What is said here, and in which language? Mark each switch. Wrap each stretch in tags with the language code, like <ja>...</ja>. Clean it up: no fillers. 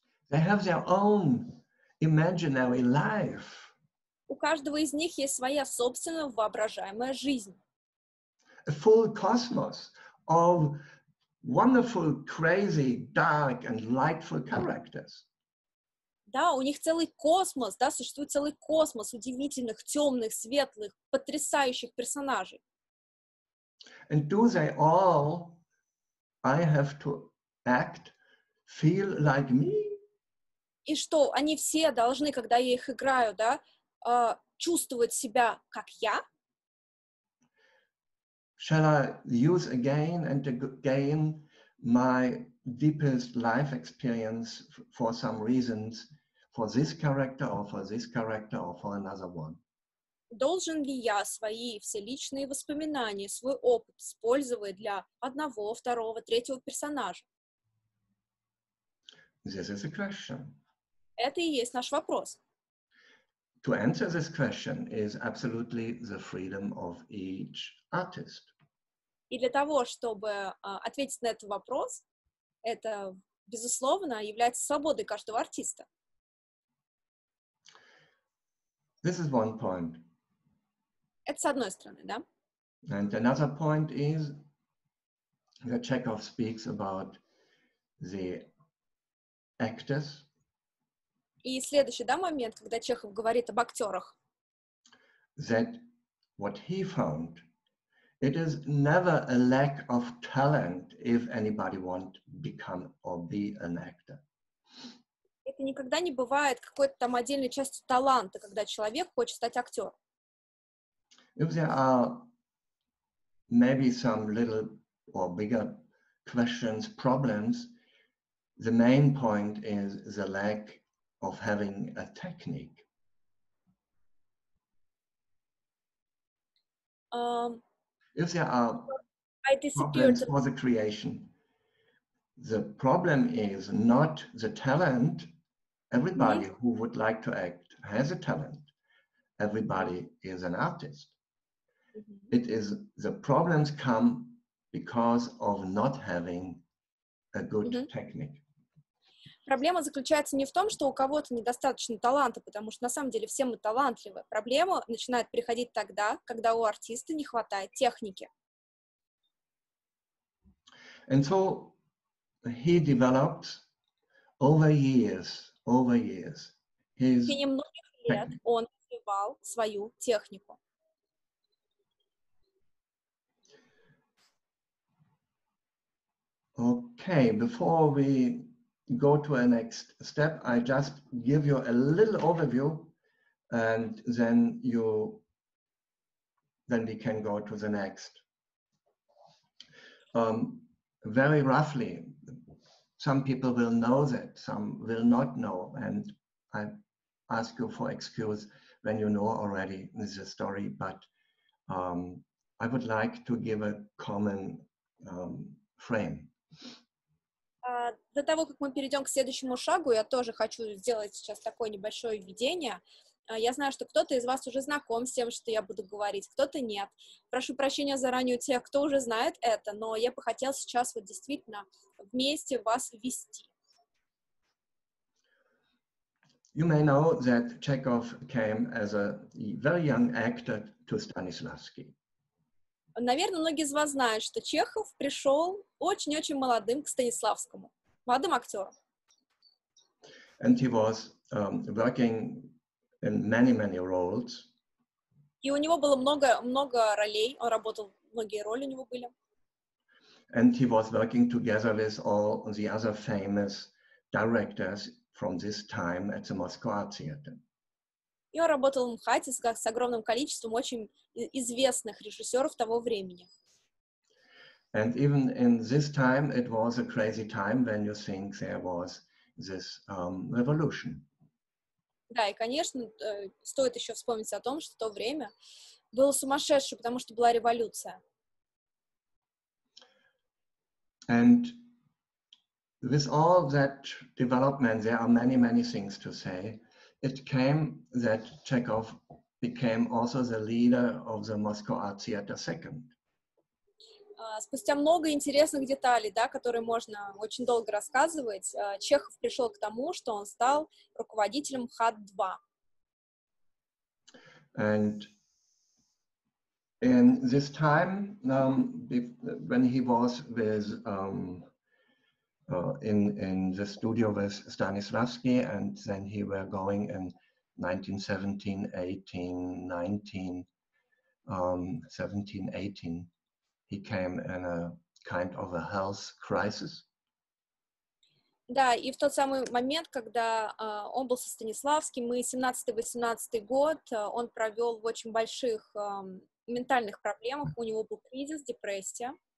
<en>They have their own imaginary life.</en> <ru>У каждого из них есть своя собственная воображаемая жизнь.</ru> <en>A full cosmos of wonderful, crazy, dark and lightful characters.</en> <ru>Да, у них целый космос, да, существует целый космос удивительных, темных, светлых, потрясающих персонажей.</ru> <en>And do they all, I have to act, feel like me?</en> <ru>И что, они все должны, когда я их играю, да, чувствовать себя как я?</ru> <en>Shall I use again and again my deepest life experience for some reasons for this character or for this character or for another one?</en> <ru>Должен ли я свои все личные воспоминания, свой опыт использовать для одного, второго, третьего персонажа?</ru> <en>This is a question.</en> <ru>Это и есть наш вопрос.</ru> <en>To answer this question is absolutely the freedom of each artist.</en> <ru>И для того, чтобы ответить на этот вопрос, это, безусловно, является свободой каждого артиста.</ru> <en>This is one point.</en> <ru>Это с одной стороны, да?</ru> <en>And another point is that Chekhov speaks about the actors.</en> <ru>И следующий, да, момент, когда Чехов говорит об актерах.</ru> <en>That what he found, it is never a lack of talent if anybody want to become or be an actor.</en> <ru>Это никогда не бывает какой-то там отдельной частью таланта, когда человек хочет стать актером.</ru> <en>If there are maybe some little or bigger questions, problems, the main point is the lack of having a technique. If there are problems for the creation, the problem is not the talent. Everybody who would like to act has a talent. Everybody is an artist. It is the problems come because of not having a good technique.</en> <ru>проблема заключается не в том, что у кого-то недостаточно таланта, потому что на самом деле все мы талантливы. Проблема начинает приходить тогда, когда у артиста не хватает техники.</ru> <en>And so he develops over years, his technique.</en> <ru>И многих лет он развивал свою технику.</ru> <en>Okay, before we go to a next step, I just give you a little overview, and then we can go to the next. Very roughly, some people will know that, some will not know, and I ask you for excuse when you know already this story, but I would like to give a common frame.</en> <ru>До того, как мы перейдем к следующему шагу, я тоже хочу сделать сейчас такое небольшое введение. Я знаю, что кто-то из вас уже знаком с тем, что я буду говорить, кто-то нет. Прошу прощения заранее у тех, кто уже знает это, но я бы хотел сейчас вот действительно вместе вас ввести.</ru> <en>You may know that Chekhov came as a very young actor to Stanislavski.</en> <ru>Наверное, многие из вас знают, что Чехов пришел очень-очень молодым к Станиславскому, молодым актером.</ru> <en>And he was working in many, many roles.</en> <ru>И у него было много-много ролей, он работал, многие роли у него были.</ru> <en>And he was working together with all the other famous directors from this time at the Moscow Art Theater.</en> <ru>И он работал в МХАТе с огромным количеством очень известных режиссеров того времени.</ru> <en>And even in this time, it was a crazy time when you think there was this revolution.</en> <ru>Да, и, конечно, стоит еще вспомнить о том, что то время было сумасшедшее, потому что была революция.</ru> <en>And with all that development, there are many, many things to say. It came that Chekhov became also the leader of the Moscow Art Theater second.</en> <ru>Спустя много интересных деталей, да, которые можно очень долго рассказывать, Чехов пришел к тому, что он стал руководителем МХАТ 2.</ru> <en>And in this time, when he was with in the studio with Stanislavski, and then he were going in 1917, 18, he came in a kind of a health crisis.</en> <ru>Да, и в тот самый момент, когда он был со Станиславским, и 17-18 год, он провел в очень больших ментальных проблемах, у него был кризис, депрессия.</ru>